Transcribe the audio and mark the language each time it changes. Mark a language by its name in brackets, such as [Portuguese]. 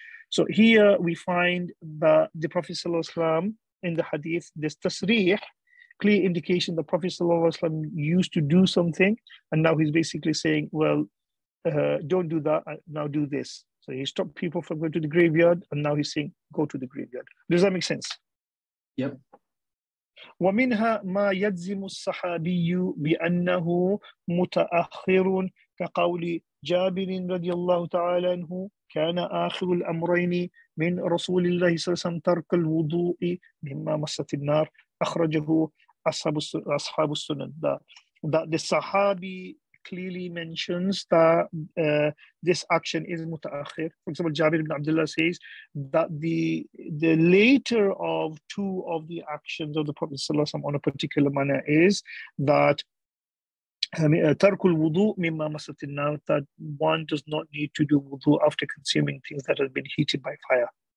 [English] So here we find that the Prophet ﷺ in the hadith, this tasrih, clear indication the Prophet ﷺ used to do something, and now he's basically saying, well, don't do that, now do this. So he stopped people from going to the graveyard, and now he's saying, go to the graveyard. Does that make sense? Yep. [Arabic] ومنها ما يجزم الصحابي بأنه متأخر كقول جابر رضي الله تعالى عنه كان آخر الأمرين من رسول الله صلى الله عليه وسلم ترك الوضوء مما مست النار أخرجه أصحاب السنن. [English] That the Sahabi clearly mentions that this action is mutaakhir. For example, Jabir ibn Abdullah says that the later of two of the actions of the Prophet sallallahu alaihi wasallam on a particular manner is that tarkul wudu mimma masat an-nar, that one does not need to do wudu after consuming things that have been heated by fire.